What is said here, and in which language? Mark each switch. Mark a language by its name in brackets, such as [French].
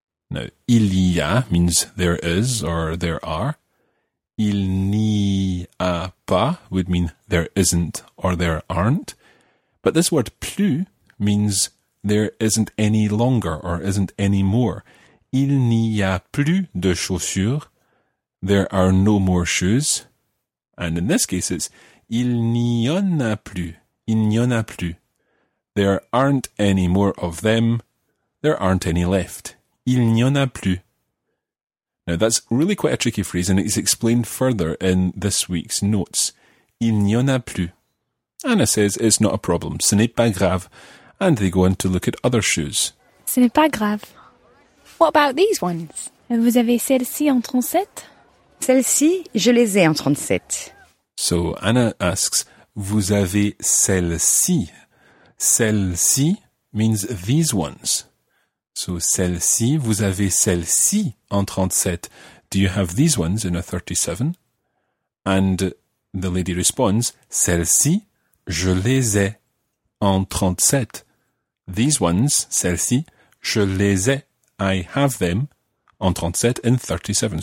[English] Now, [French] il y a [English] means there is or there are. [French] Il n'y a pas [English] would mean there isn't or there aren't. But this word plus means there isn't any longer or isn't any more. [French] Il n'y a plus de chaussures. [English] There are no more shoes. And in this case it's [French] il n'y en a plus. Il n'y en a plus. [English] There aren't any more of them. There aren't any left. [French] Il n'y en a plus. [English] Now that's really quite a tricky phrase and it's explained further in this week's notes. [French] Il n'y en a plus. [English] Anna says it's not a problem. [French] Ce n'est pas grave. [English] And they go on to look at other shoes. [French] Ce n'est pas grave. [English] What about these ones? [French] Vous avez celles-ci en 37? Celles-ci, je les ai en 37. [English] So Anna asks, [French] vous avez celles-ci? Celles-ci [English] means these ones. So [French] celles-ci, vous avez celles-ci en 37. [English] Do you have these ones in a 37? And the lady responds, [French] celles-ci, je les ai en 37. [English] These ones, [French] celles-ci, je les ai. [English] I have them [French] en 37 [English] in 37.